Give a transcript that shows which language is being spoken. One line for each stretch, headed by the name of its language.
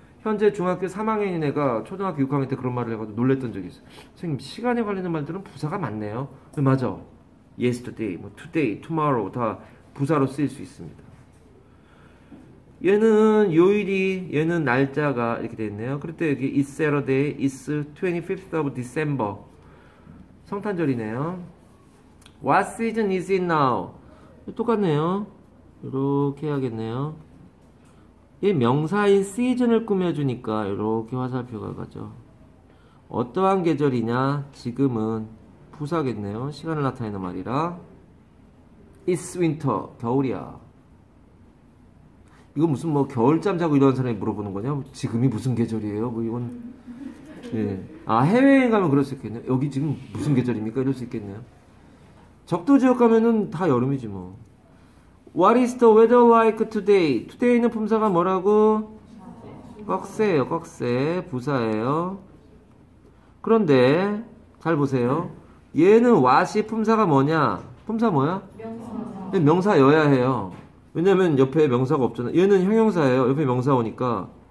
Korean: 현재 중학교 3학년인 애가 초등학교 6학년 때 그런 말을 해가지고 놀랬던 적이 있어요. 선생님 시간에 관련된 말들은 부사가 많네요. 네, 맞아. yesterday, 뭐 today, tomorrow 다 부사로 쓰일 수 있습니다. 얘는 요일이, 얘는 날짜가 이렇게 되어있네요. 그럴 때 여기
English: It's Saturday, It's 25th of December
Korean: 성탄절이네요.
English: What season is it now?
Korean: 똑같네요. 이렇게 해야겠네요. 얘 명사인 season을 꾸며주니까 이렇게 화살표가 가죠. 어떠한 계절이냐? 지금은 부사겠네요. 시간을 나타내는 말이라
English: It's winter,
Korean: 겨울이야. 이거 무슨 뭐 겨울잠 자고 일어난 사람이 물어보는 거냐? 지금이 무슨 계절이에요? 뭐 이건 예. 아, 해외여행 가면 그럴 수 있겠네요. 여기 지금 무슨 계절입니까? 이럴 수 있겠네요. 적도 지역 가면은 다 여름이지 뭐.
English: What is the weather like today?
Korean: Today는 품사가 뭐라고? 꺽쇠예요. 꺽쇠. 부사예요. 그런데 잘 보세요. 얘는 what이 품사가 뭐냐? 품사 뭐야? 명사. 명사여야 해요. 왜냐면 옆에 명사가 없잖아. 얘는 형용사예요. 옆에 명사 오니까.